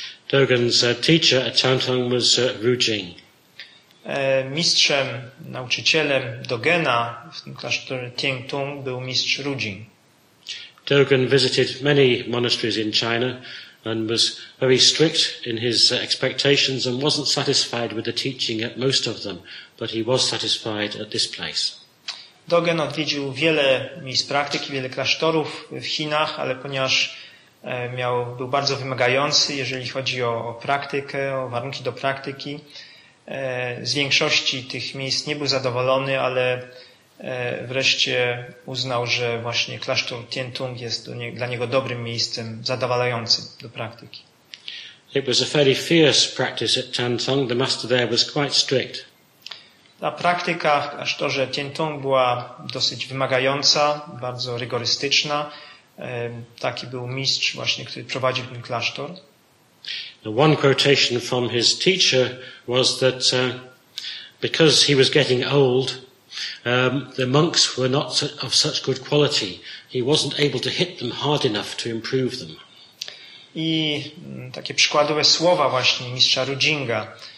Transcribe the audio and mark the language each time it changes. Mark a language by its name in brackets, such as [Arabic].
[English] Dogen's teacher at Chantung was Ru Jing. [Polish] Mistrzem, nauczycielem Dogena w tym klasztorze Tiangtung był mistrz Ru Jing. [English] Dogen visited many monasteries in China and was very strict in his expectations and wasn't satisfied with the teaching at most of them, but he was satisfied at this place. [Polish] Dogen odwiedził wiele miejsc praktyki, wiele klasztorów w Chinach, ale ponieważ był bardzo wymagający, jeżeli chodzi o praktykę, o warunki do praktyki, z większości tych miejsc nie był zadowolony, ale wreszcie uznał, że właśnie klasztor Tiantung jest dla niego dobrym miejscem, zadowalającym do praktyki. [English] It was a fairly fierce practice at Tiantung. The master there was quite strict. [Polish] Ta praktyka w klasztorze Tiantung była dosyć wymagająca, bardzo rygorystyczna. Taki był mistrz właśnie, który prowadził ten klasztor. [English] Now one quotation from his teacher was that because he was getting old, the monks were not of such good quality. He wasn't able to hit them hard enough to improve them. [Polish] I takie przykładowe słowa właśnie mistrza Ru Jinga.